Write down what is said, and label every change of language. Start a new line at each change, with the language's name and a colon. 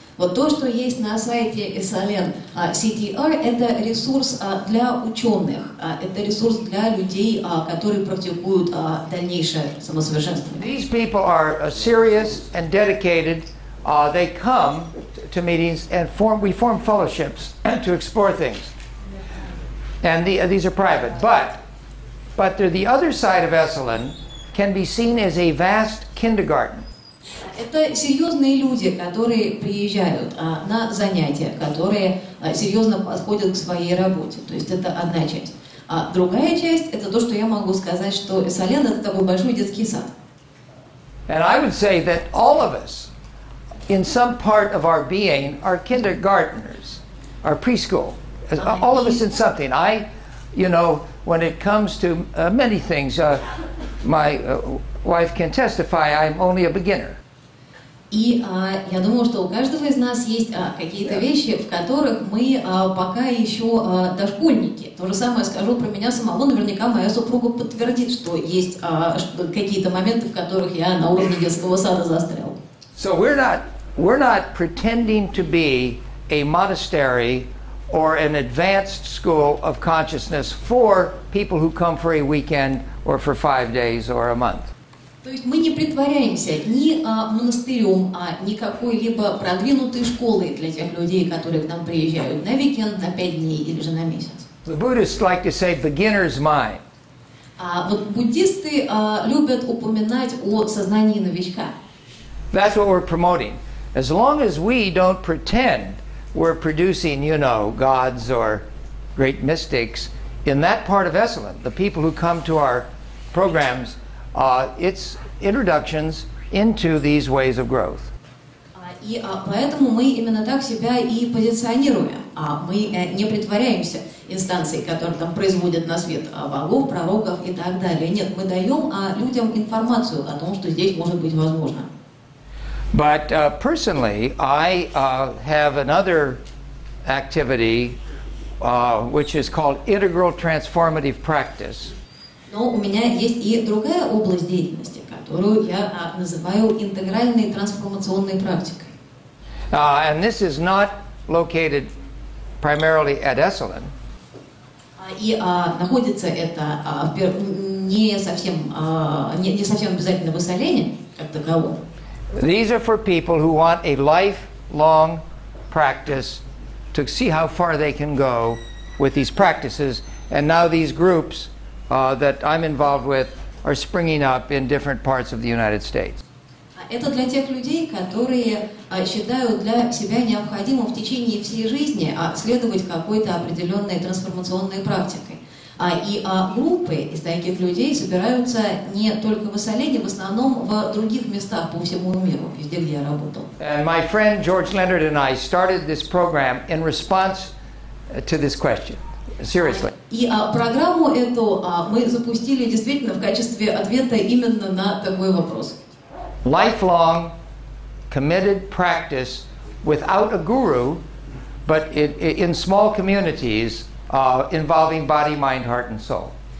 Russian: Вот то, что есть на сайте Esalen CTR, это ресурс для ученых, это ресурс для людей, которые практикуют дальнейшее самосовершенствование.
English: These people are serious and dedicated. They come to meetings and we form fellowships to explore things. And these are private. But the other side of Esalen can be seen as a vast kindergarten.
Russian: Это серьезные люди, которые приезжают на занятия, которые серьезно подходят к своей работе. То есть это одна часть. А другая часть — это то, что я могу сказать, что Эссален — это такой большой детский сад.
English: And I would say that all of us, in some part of our being, are kindergartners, are preschool. All of us in something. I, you know, when it comes to many things, my wife can testify, I'm only a beginner.
Russian: И я думаю, что у каждого из нас есть какие-то вещи, в которых мы пока еще дошкольники. То же самое скажу про меня самого. Наверняка моя супруга подтвердит, что есть какие-то моменты, в которых я на уровне детского сада застрял.
English: So we're not pretending to be a monastery or an advanced school of consciousness for people who come for a weekend or for 5 days or a month.
Russian: То есть мы не притворяемся ни монастырем, а ни какой-либо продвинутой школой для тех людей, которые к нам приезжают на викенд, на 5 дней или же на месяц.
English: The Buddhists like to say beginner's mind.
Russian: А вот буддисты любят упоминать о сознании новичка.
English: That's what we're promoting. As long as we don't pretend we're producing, you know, gods or great mystics in that part of Esalen, the people who come to our programs, it's introductions into these ways of growth.
Russian: И поэтому мы именно так себя и позиционируем. Мы не притворяемся инстанцией, которая там производит на свет богов, пророков и так далее. Нет, мы даем людям информацию о том, что здесь может быть возможно.
English: But personally, I have another activity, which is called integral transformative practice.
Russian: Но у меня есть и другая область деятельности, которую я называю интегральной трансформационной практикой.
English: And this is not located primarily at Esalen.
Russian: Находится это не совсем обязательно в Эссалене, как таково.
English: These are for people who want a lifelong practice to see how far they can go with these practices. And now these groups that I'm involved with are springing up in different parts of the United States.
Russian: Это для тех людей, которые считают для себя необходимым в течение всей жизни следовать какой-то определенной трансформационной практикой. И группы из таких людей собираются не только в Эссалене, в основном в других местах по всему миру, везде, где я работал.
English: And my friend George Leonard and I started this program in response to this question. Seriously.
Russian: И программу эту мы запустили действительно в качестве ответа именно на такой вопрос.
English: Lifelong committed practice without a guru, but in small communities involving body, mind, heart, and soul.